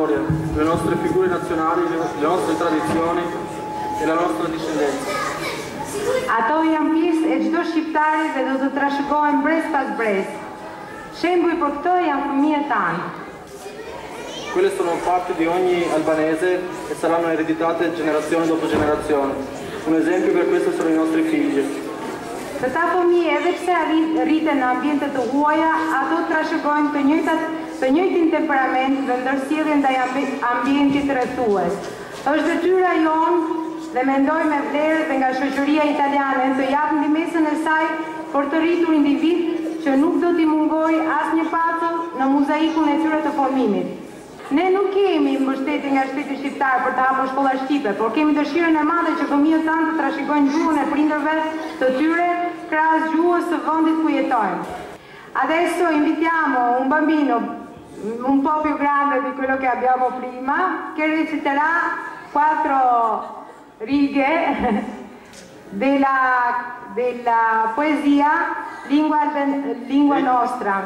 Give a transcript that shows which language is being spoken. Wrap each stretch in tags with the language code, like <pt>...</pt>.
<it>Nazionali, le nostre tradizioni e la nostra discendenza.</it> <sq>Ato jam pjesë e çdo shqiptar. shqiptari dhe do të trashëgohen brez pas brez. Shembuj për këto janë fëmijët tanë.</sq> <it>Quelle sono parte di ogni albanese e saranno ereditate generazione dopo generazione. Un esempio per questo sono i nostri figli.</it> <sq>Këta fëmijë, edhe pse rriten në ambiente të huaja, ato trashëgojnë të njëjtin temperament dhe ndërsjellje ndaj ambientit rrethues. Është detyra jonë dhe mendoj me vlerë dhe nga shoqëria italiane të jap ndihmën e saj për të rritur individ që nuk do t'i mungoj asnjë pasull në mozaikun e tyre të formimit. Ne nuk kemi mbështetje nga shteti shqiptar për të hapur shkolla shqipe, por kemi dëshirën e madhe që fëmijët tanë të trashëgojnë gjuhën e prindërve të tyre krahas gjuhës së vendit ku jetojnë.</sq> <it>Adesso invitiamo un bambino un po' più grande di quello che abbiamo prima, che reciterà quattro righe della poesia lingua nostra.</it>